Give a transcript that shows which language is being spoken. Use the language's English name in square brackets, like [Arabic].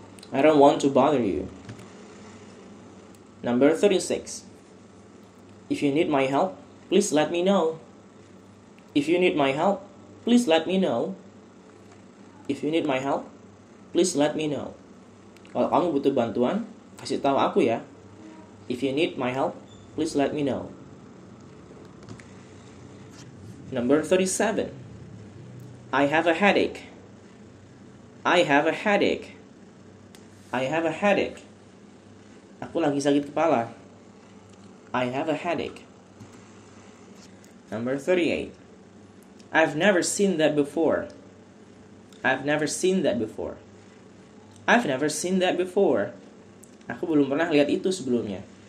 [English] I don't want to bother you. Number 36. If you need my help, please let me know. If you need my help, please let me know. If you need my help, please let me know. [Indonesian] Kalau kamu butuh bantuan, kasih tahu aku ya. [English] If you need my help, please let me know. Number 37. I have a headache. I have a headache. I have a headache. [Indonesian] Aku lagi sakit kepala. [English] I have a headache. Number 38. I've never seen that before. I've never seen that before. I've never seen that before. [Indonesian] Aku belum pernah lihat itu sebelumnya.